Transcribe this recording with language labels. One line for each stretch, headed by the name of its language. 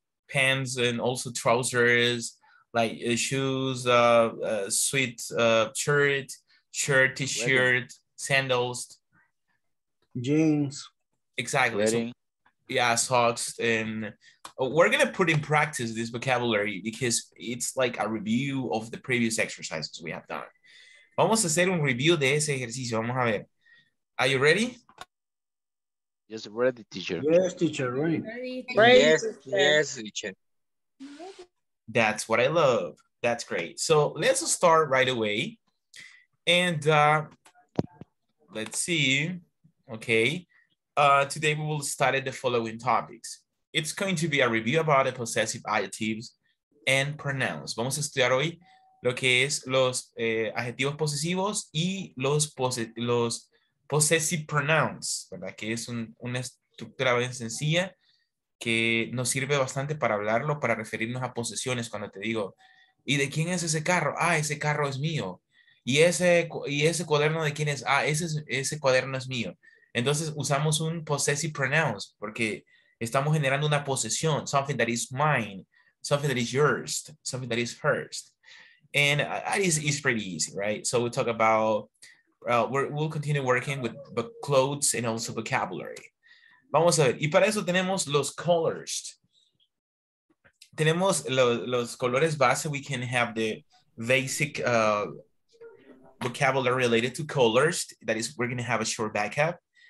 English: Pants and also trousers, like shoes, sweet shirt, t-shirt, wedding. Sandals. Jeans. Exactly. Yeah, socks, and we're going to put in practice this vocabulary because it's like a review of the previous exercises we have done.
Spanish: Vamos a hacer un review de ese ejercicio. Vamos a ver.
English: Are you ready? Yes, ready, teacher. Yes, teacher, ready. Ready. Yes, yes, teacher. That's what I love. That's great. So let's start right away. And let's see. Okay. Today we will study the following topics. It's going to be a review about the possessive adjectives and pronouns.
Spanish: Vamos a estudiar hoy lo que es los adjetivos posesivos y los possessive pronouns, ¿verdad? Que es una estructura bien sencilla que nos sirve bastante para hablarlo, para referirnos a posesiones. Cuando te digo, ¿y de quién es ese carro? Ah, ese carro es mío. ¿Y ese cuaderno de quién es? Ah, ese cuaderno es mío. Entonces usamos un possessive pronouns porque estamos generando una posesión,
English: something that is mine, something that is yours, something that is hers. And that is pretty easy, right? So we'll talk about, we'll continue working with clothes and also vocabulary.
Spanish: Vamos a ver, y para eso tenemos los colors. Tenemos los colores base.
English: We can have the basic vocabulary related to colors. That is, we're going to have a short backup.